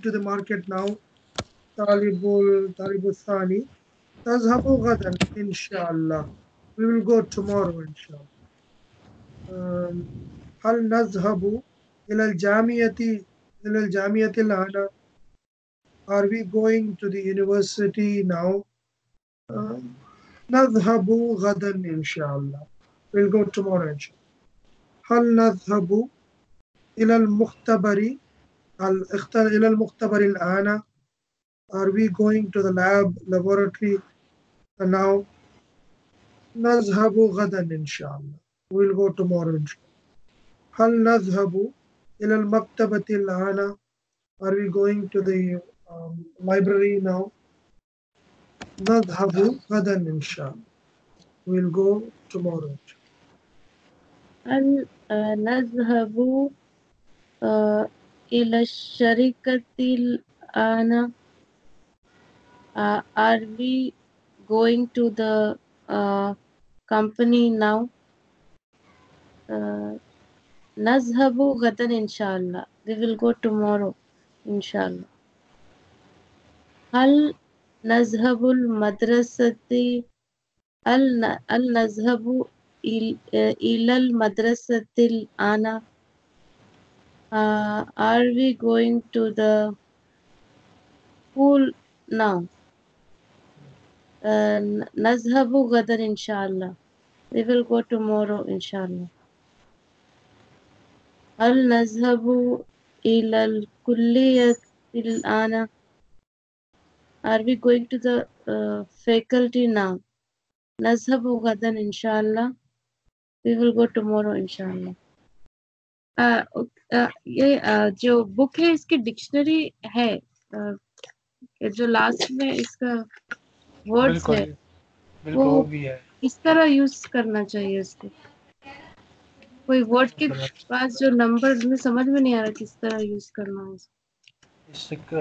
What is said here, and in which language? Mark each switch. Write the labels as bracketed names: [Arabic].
[English] to the market now [Arabic] طالب الثاني تذهب غدا إن شاء الله [English] we will go tomorrow [Arabic] إن شاء الله هل نذهب إلى الجامعة الآن؟ [English] Are we going to the university now? [Arabic] نذهب غدا إن شاء الله. [English] We'll go tomorrow إن شاء الله. [Arabic] هل نذهب إلى المختبر؟ إلى المختبر الآن؟ [English] Are we going to the lab laboratory now? [Arabic] نذهب غدا إن شاء الله. [English] We'll go tomorrow. [Arabic] هل نذهب إلى المكتبة الآن؟ [English] Are we going to the library now? [Arabic] نذهب غدا إن شاء الله. We'll go tomorrow. هل نذهب إلى الشركة الآن؟ [English] Are we going to the company now? [Arabic] نذهب غدا ان شاء الله [English] we will go tomorrow [Arabic] ان شاء الله هل نذهب المدرسه هل نذهب الى المدرسه الان [English] are we going to the school now [Arabic] نذهب غدا ان شاء الله [English] we will go tomorrow [Arabic] ان شاء الله هل نذهب إلى الكلية الآن؟ [English] Are we going to the faculty now? [Arabic] نذهب غدا إن شاء الله. [English] We will go tomorrow إن شاء الله. [Urdu] یہ جو بک ہے اس کی ڈکشنری ہے جو لاسٹ میں اس کا ورڈ ہے وہ اس طرح یوز کرنا چاہیے اس کو کوئی ورڈ کے پاس جو نمبر میں سمجھ میں نہیں آ رہا کس طرح یوز کرنا ہے